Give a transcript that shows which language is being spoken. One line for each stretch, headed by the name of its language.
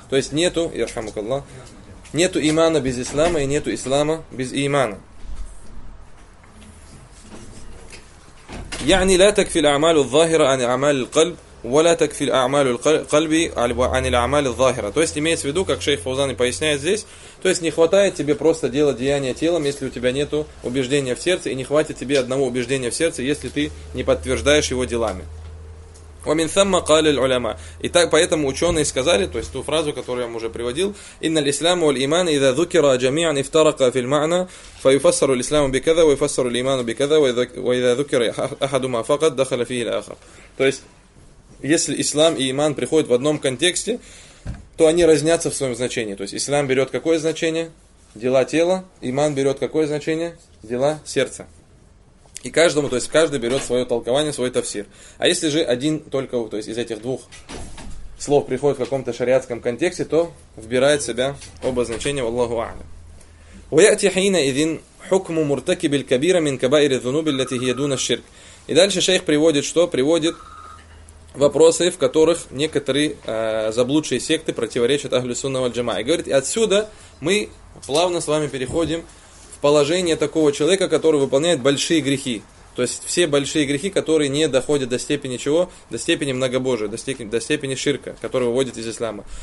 Russian: То есть нету, ирхамукаллах, нету имана без ислама и нету ислама без имана.
Arabic: يعني لا تكفي الأعمال الظاهرة عن أعمال القلب ولا تكفي الأعمال القلبي عن الأعمال الظاهرة.
Russian: То есть имеется в виду, как шейх Фаузани поясняет здесь, то есть не хватает тебе просто дела деяния телом, если у тебя нету убеждения в сердце, и не хватит тебе одного убеждения в сердце, если ты не подтверждаешь его делами.
Arabic: ومن ثم قال العلماء.
Russian: И так поэтому ученые сказали, то есть ту фразу, которую я вам уже приводил,
Arabic: ان الاسلام والايمان اذا ذكر جميعا افترق في المعنى فيفسر الاسلام بكذا ويفسر الايمان بكذا واذا ذكر احدهما فقط دخل فيه الاخر.
Russian: То есть если ислам и иман приходят в одном контексте, то они разнятся в своем значении. То есть ислам берет какое значение? Дела тела. Иман берет какое значение? Дела сердца. И каждому, то есть каждый берет свое толкование, свой тафсир. А если же один только, то есть из этих двух слов приходит в каком-то шариатском контексте, то вбирает в себя оба значения, валлаху а'ля.
Arabic: وَيَأْتِ حِينَ إِذِنْ حُكْمُ مُرْتَكِبِ الْكَبِيرَ مِنْ كَبَائِرِ الذُّنُوبِ الَّتِهِ يَدُونَ الشِّرْكِ.
Russian: И дальше шейх приводит, что приводит вопросы, в которых некоторые заблудшие секты противоречат Ахлю Сунна валь Джамаа. И говорит, отсюда мы плавно с вами переходим в положение такого человека, который выполняет большие грехи. То есть все большие грехи, которые не доходят до степени чего? До степени многобожия, до степени ширка, который выводит из ислама.